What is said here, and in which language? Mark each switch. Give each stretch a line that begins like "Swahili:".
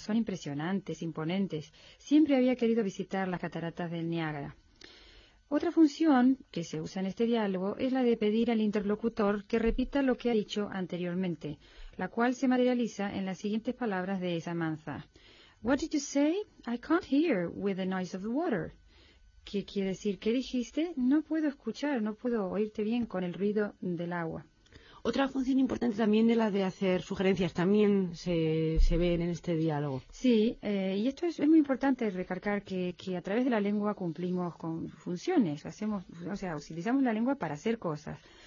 Spanish: Son impresionantes, imponentes. Siempre había querido visitar las cataratas del Niágara. Otra función que se usa en este diálogo es la de pedir al interlocutor que repita lo que ha dicho anteriormente, la cual se materializa en las siguientes palabras de Samantha.
English: What did you say? I can't hear with the noise of the water.
Spanish: ¿Qué quiere decir? ¿Qué dijiste? No puedo escuchar, no puedo oírte bien con el ruido del agua. Otra función importante también es la de hacer sugerencias, también se ven en este diálogo. Sí, y esto es muy importante recalcar que a través de la lengua cumplimos con funciones, utilizamos la lengua para hacer cosas.